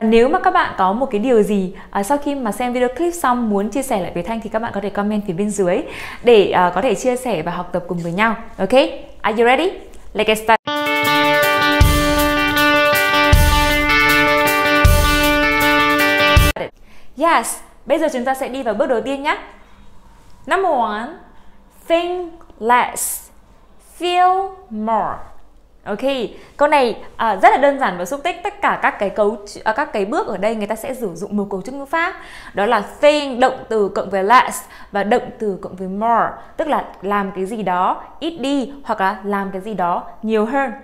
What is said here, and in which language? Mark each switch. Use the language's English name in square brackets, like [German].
[Vietnamese] Nếu mà các bạn có một cái điều gì sau khi mà xem video clip xong muốn chia sẻ lại với Thanh thì các bạn có thể comment phía bên dưới để có thể chia sẻ và học tập cùng với nhau. [English] Ok, are you ready? Let's get started. Yes. [Vietnamese] Bây giờ chúng ta sẽ đi vào bước đầu tiên nhé. [English] Number one, think less, feel more. [Vietnamese] Ok, câu này rất là đơn giản và xúc tích. Tất cả các cái bước ở đây người ta sẽ sử dụng một cấu trúc ngữ pháp. Đó là think, động từ cộng với less và động từ cộng với more. Tức là làm cái gì đó ít đi hoặc là làm cái gì đó nhiều hơn.